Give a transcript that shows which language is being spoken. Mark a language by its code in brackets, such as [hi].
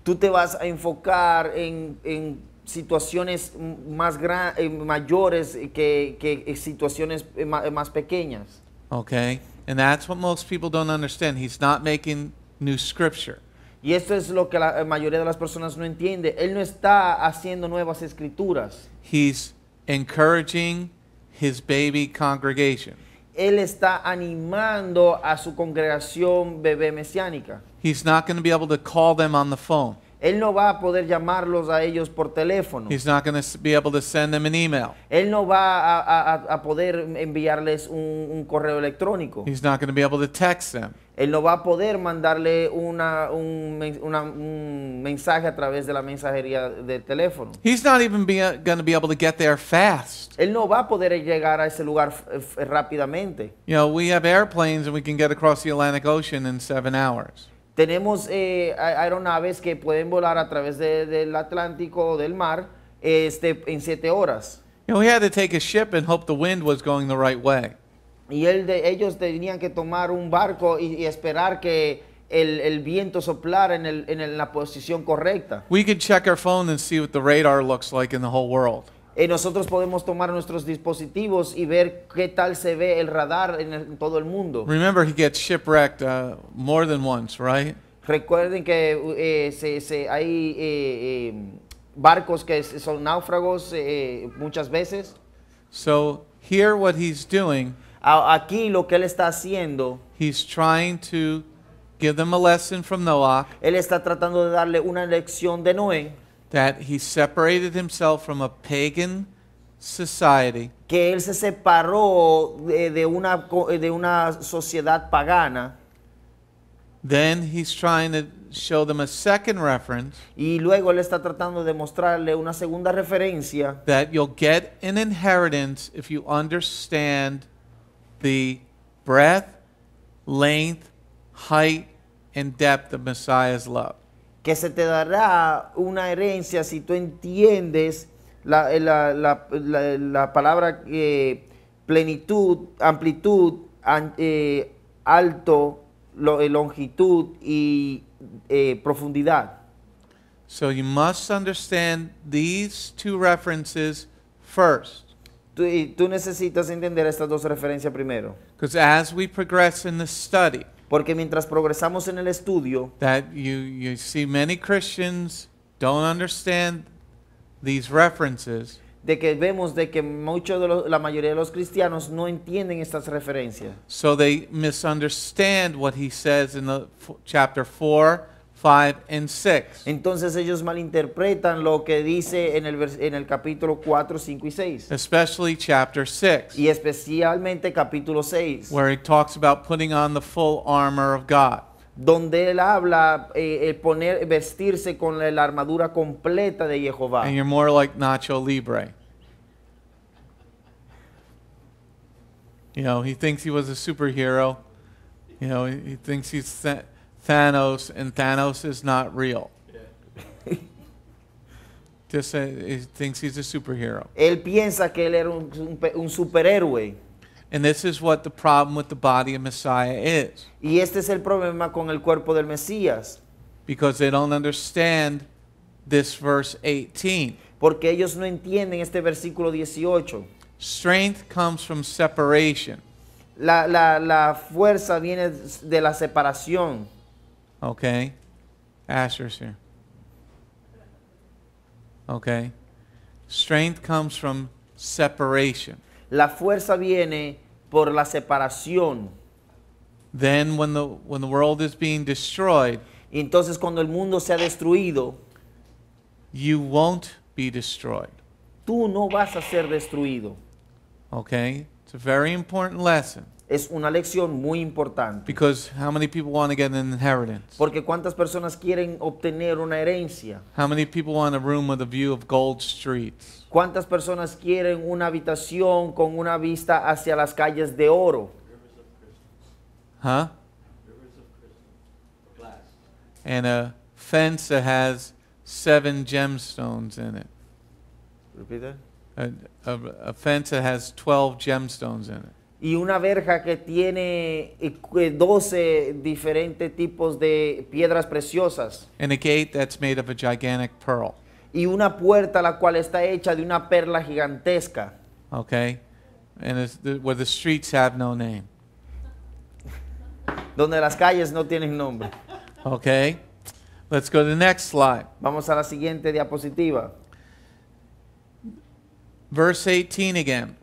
[es] Tú te vas a enfocar en situaciones más mayores que situaciones más pequeñas. [en] Okay, and that's what most people don't understand. He's not making new scripture. [es] Y esto es lo que la mayoría de las personas no entiende. Él no está haciendo nuevas escrituras. [en] He's encouraging his baby congregation. [es] Él está animando a su congregación bebé mesiánica. [en] He's not going to be able to call them on the phone. [es] Él no va a poder llamarlos a ellos por teléfono. [en] He's not going to be able to send them an email. [es] Él no va a poder enviarles un correo electrónico. [en] He's not going to be able to text them. [es] Él no va a poder mandarle un mensaje a través de la mensajería de teléfono. [en] He's not even going to be able to get there fast. [es] Él no va a poder llegar a ese lugar rápidamente. [en] You know, we have airplanes and we can get across the Atlantic Ocean in 7 hours. [es] Tenemos aeronaves que pueden volar a través del Atlántico o del mar en 7 horas. [en] You know, we had to take a ship and hope the wind was going the right way. [es] Y ellos tenían que tomar un barco y esperar que el viento soplara en la posición correcta. [en] We could check our phone and see what the radar looks like in the whole world. [es] Y nosotros podemos tomar nuestros dispositivos y ver qué tal se ve el radar en todo el mundo. [en] Remember, he gets shipwrecked more than once, right? [es] Recuerden que hay barcos que son náufragos muchas veces. [en] So here, what he's doing. [es] Aquí lo que él está haciendo, [en] he's trying to give them a lesson from Noah. [es] Él está tratando de darle una lección de Noé. [en] That he separated himself from a pagan society. [es] Que él se separó de una sociedad pagana. [en] Then he's trying to show them a second reference. [es] Y luego le está tratando de mostrarle una segunda referencia. [en] That you'll get an inheritance if you understand the breadth, length, height, and depth of Messiah's love. [es] Que se te dará una herencia si tú entiendes la palabra plenitud, amplitud, alto, longitud y profundidad. [en] So you must understand these two references first. [es] Tú necesitas entender estas dos referencias primero. [en] Because as we progress in the study, [es] porque mientras progresamos en el estudio, [en] that you see many Christians don't understand these references. [es] De que vemos de que la mayoría de los cristianos no entienden estas referencias. [en] So they misunderstand what he says in the chapter 4, 5, and 6. [es] Entonces ellos malinterpretan lo que dice en el capítulo 4, 5 y 6. [en] Especially chapter 6. [es] Y especialmente capítulo 6. [en] Where he talks about putting on the full armor of God. [es] Donde él habla vestirse con la armadura completa de Jehová. [en] And you're more like Nacho Libre. You know, he thinks he was a superhero. You know, he thinks he's Thanos, and Thanos is not real. Yeah. Just say he thinks he's a superhero. [es] Él piensa que él era un superhéroe. [en] And this is what the problem with the body of Messiah is. [es] Y este es el problema con el cuerpo del Mesías. [en] Because they don't understand this verse 18. [es] Porque ellos no entienden este versículo 18. [en] Strength comes from separation. [es] La fuerza viene de la separación. [en] Okay. Asher's here. Okay. Strength comes from separation. [es] La fuerza viene por la separación. [en] Then when the world is being destroyed, [es] entonces cuando el mundo sea destruido, [en] you won't be destroyed. [es] Tú no vas a ser destruido. [en] Okay? It's a very important lesson. [es] Es una lección muy importante. [en] Because how many people want to get an inheritance? [es] Porque cuántas personas quieren obtener una herencia? [en] How many people want a room with a view of gold streets? [es] ¿Cuántas personas quieren una habitación con una vista hacia las calles de oro? [en] Huh? Rivers of glass. And a fence that has 7 gemstones in it. Repeat that. A fence that has 12 gemstones in it. [es] Y una verja que tiene 12 diferentes tipos de piedras preciosas. [en] And a gate that's made of a gigantic pearl. [es] Y una puerta la cual está hecha de una perla gigantesca. [en] Okay. And it's where the streets have no name. [es] Donde las calles no tienen nombre. [en] Okay. Let's go to the next slide. [es] Vamos a la siguiente diapositiva. [en] Verse 18 again.